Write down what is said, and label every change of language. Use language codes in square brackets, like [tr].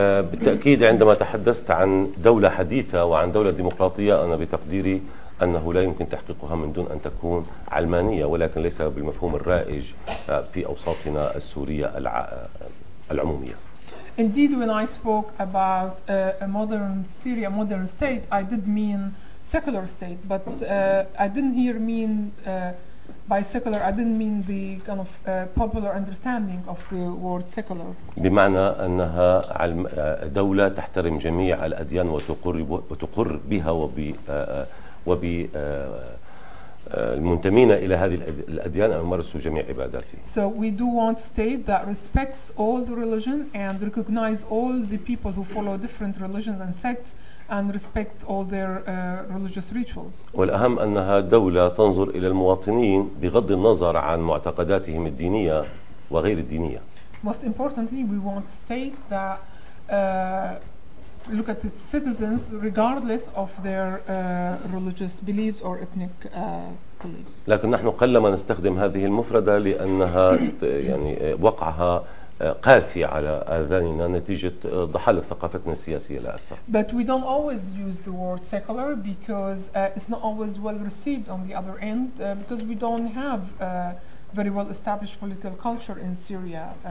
[ar] بالتأكيد عندما تحدثت عن دولة حديثة وعن دولة ديمقراطية أنا بتقديري أنه لا يمكن تحقيقها من دون أن تكون علمانية ولكن ليس بالمفهوم الرائج في أوساطنا السورية العمومية. [en] Indeed, when I spoke about a modern Syria, modern state, I did mean secular state, but I didn't here mean by secular, I didn't mean the kind of popular understanding of the word secular. [ar] بمعنى أنها دولة تحترم جميع الأديان وتقر بها وب وبالمنتمين إلى هذه الأديان أن يمارسوا جميع عباداتي. [en] So we do want a state that respects all the religion and recognize all the people who follow different religions and sects and respect all their religious rituals. [ar] والأهم أنها دولة تنظر إلى المواطنين بغض النظر عن معتقداتهم الدينية وغير الدينية. [en] Most importantly, we want a state that look at its citizens regardless of their religious beliefs or ethnic beliefs. [ar] لكن نحن قلما نستخدم هذه المفردة لأنها يعني وقعها قاسي على آذاننا نتيجة ضحالة ثقافتنا السياسية لا أكثر. [en] But we don't always use the word secular because it's not always well received on the other end because we don't have very well established political culture in Syria.